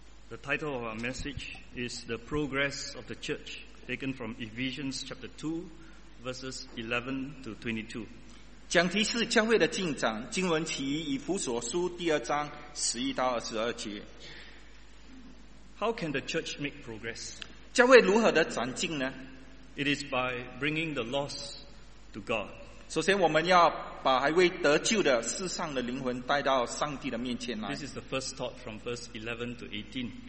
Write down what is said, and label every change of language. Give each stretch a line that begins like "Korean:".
English: The title of our message is The Progress of the Church, taken from Ephesians chapter 2, verses 11 to 22.
Chinese: 讲题是教会的进展, 经文起义, 以弗所书, 第二章, 11到22节。
English: How can the church make progress?
Chinese: 教会如何的转进呢?
English: It is by bringing the lost to God.
Chinese: 首先我们要把还未得救的世上的灵魂带到上帝的面前来。
English: This is the first thought from verse 11 to 18.